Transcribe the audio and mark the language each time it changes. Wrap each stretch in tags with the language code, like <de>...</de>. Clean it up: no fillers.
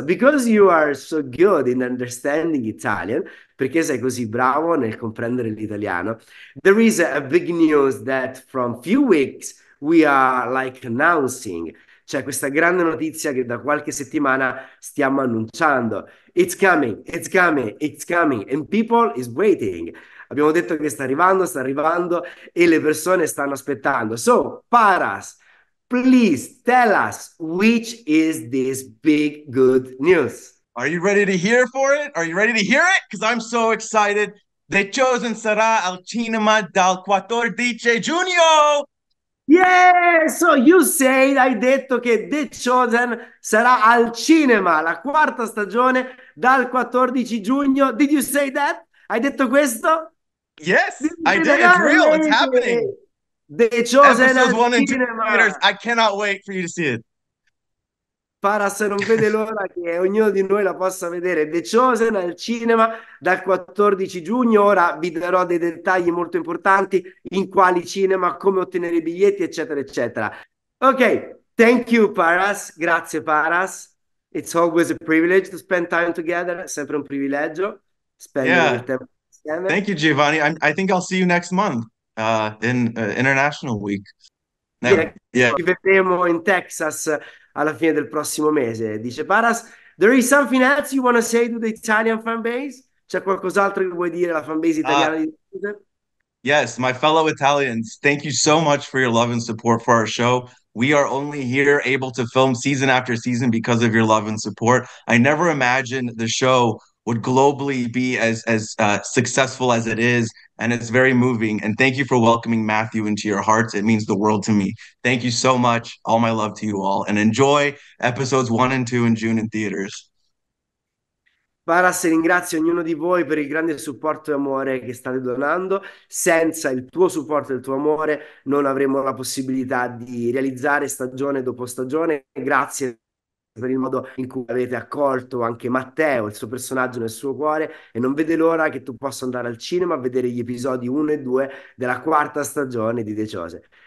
<en>Because you are so good in understanding Italian,</en> <it>perché sei così bravo nel comprendere l'italiano,</it> <en>there is a big news that from few weeks we are like announcing.</en> <it>C'è questa grande notizia che da qualche settimana stiamo annunciando.</it> <en>It's coming, it's coming, it's coming, and people is waiting.</en> <it>Abbiamo detto che sta arrivando, e le persone stanno aspettando.</it> <en>So, Paras, please tell us which is this big good news? Are you ready to hear for it? Are you ready to hear it? Because I'm so excited.</en> <it>The Chosen sarà al cinema dal 14 giugno.</it> <en>Yeah, so you say,</en> <it>hai detto che The Chosen sarà al cinema la quarta stagione dal 14 giugno.</it> <en>Did you say that?</en> <it>Hai detto questo?</it> <en>Yes, I did. It's real. It's happening.</en> <it>Finalmente! The Chosen</it> <en>Episodes</en> <it>cinema!</it> <en>I cannot wait for you to see it.</en> <it>Paras non vede l'ora che ognuno di noi la possa vedere. The Chosen al cinema dal 14 giugno. Ora vi darò dei dettagli molto importanti in quali cinema, come ottenere i biglietti, eccetera, eccetera.</it> <en>Ok, thank you Paras.</en> <it>Grazie Paras.</it> <en>It's always a privilege to spend time together.</en> <it>Sempre un privilegio spendere</it> <en>Yeah.</en> <it>del tempo</it> <en>Thank</en> <it>insieme.</it> <en>you, Giovanni. I think I'll see you next month in International Week. Yeah. Yeah.</en> <it>Ci vedremo in Texas alla fine del prossimo mese, dice Paras.</it> <en>There is something else you want to say to the Italian fan base?</en> <it>C'è qualcos'altro che vuoi dire alla fan base italiana di?</it> <en>Yes, my fellow Italians, thank you so much for your love and support for our show. We are only here able to film season after season because of your love and support. I never imagined the show would globally be as successful as it is, and it's very moving. And thank you for welcoming Matthew into your hearts. It means the world to me. Thank you so much. All my love to you all, and enjoy episodes 1 and 2 in June in theaters.</en> <it>Paras, ringrazio ognuno di voi per il grande supporto e amore che state donando. Senza il tuo supporto e il tuo amore non avremmo la possibilità di realizzare stagione dopo stagione. Grazie per il modo in cui avete accolto anche Matteo, il suo personaggio nel suo cuore, e non vede l'ora che tu possa andare al cinema a vedere gli episodi 1 e 2 della quarta stagione di The Chosen.</it>